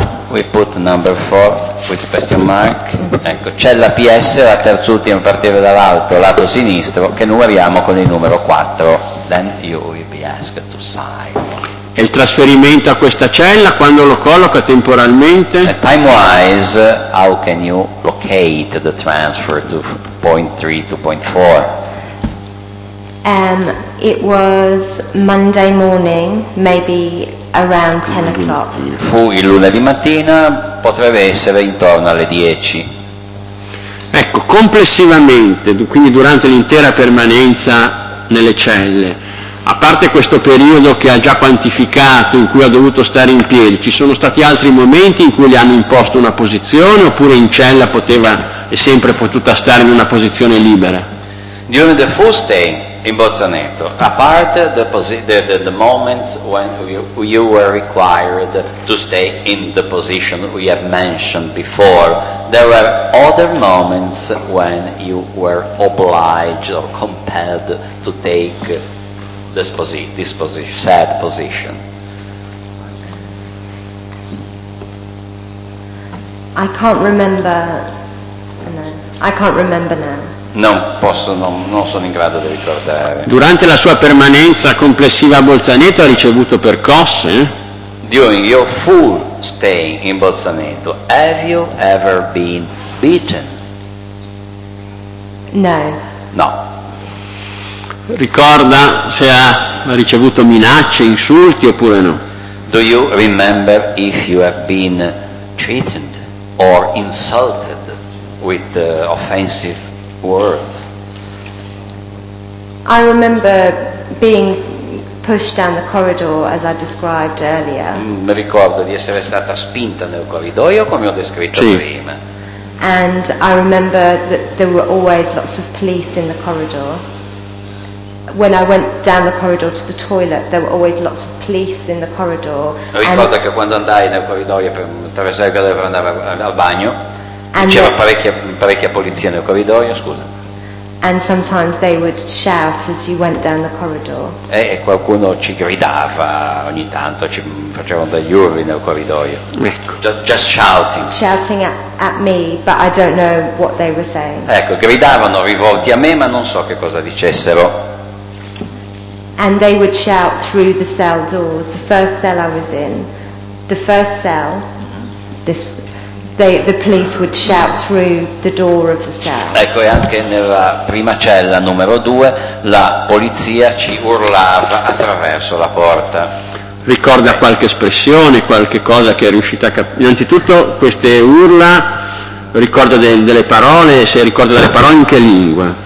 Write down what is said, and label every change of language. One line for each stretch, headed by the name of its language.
English: We put number 4 with question mark.
Italian: Ecco, cella PS, la terz'ultima a partire dall'alto, lato sinistro, che numeriamo con il numero 4.
English: Then you will be asked to sign.
Italian: E il trasferimento a questa cella quando lo colloca temporalmente?
English: Time wise, how can you locate the transfer to point 3 to point 4? It was Monday morning, maybe around 10 o'clock.
Italian: Fu il lunedì mattina, potrebbe essere intorno alle 10. Ecco, complessivamente, quindi durante l'intera permanenza nelle celle, a parte questo periodo che ha già quantificato in cui ha dovuto stare in piedi, ci sono stati altri momenti in cui le hanno imposto una posizione oppure in cella poteva e sempre potuta stare in una posizione libera?
English: During the full stay in Bozzaneto, apart the moments when you were required to stay in the position we have mentioned before, there were other moments when you were obliged or compelled to take this position, sad position. I can't remember. No, I can't remember now.
Italian: Non posso, non sono in grado di ricordare. Durante la sua permanenza complessiva a Bolzaneto ha ricevuto percosse?
English: During your full stay in Bolzaneto, have you ever been beaten? No.
Italian: No. Ricorda se ha ricevuto minacce, insulti oppure no?
English: Do you remember if you have been threatened or insulted with offensive words? I remember being pushed down the corridor as I described earlier.
Italian: Mi ricordo di essere stata spinta nel corridoio come ho descritto prima.
English: And I remember that there were always lots of police in the corridor. When I went down the corridor to the toilet, there were always lots of police in the corridor.
Italian: Ricordo che quando andai nel corridoio per attraversare il corridoio per andare al bagno, c'era parecchia polizia nel corridoio, scusa.
English: And sometimes they would shout as you went down the corridor.
Italian: E qualcuno ci gridava ogni tanto, ci facevano degli urli nel corridoio. Ecco.
English: Just shouting. Shouting at me, but I don't know what they were saying.
Italian: Ecco, gridavano rivolti a me, ma non so che cosa dicessero.
English: And they would shout through the cell doors. The first cell I was in, the first cell, the police would shout through the door of the cell.
Italian: Ecco, e anche nella prima cella, numero 2, la polizia ci urlava attraverso la porta. Ricorda qualche espressione, qualche cosa che è riuscita a capire? Innanzitutto queste urla, ricorda delle parole, se ricorda delle parole in che lingua?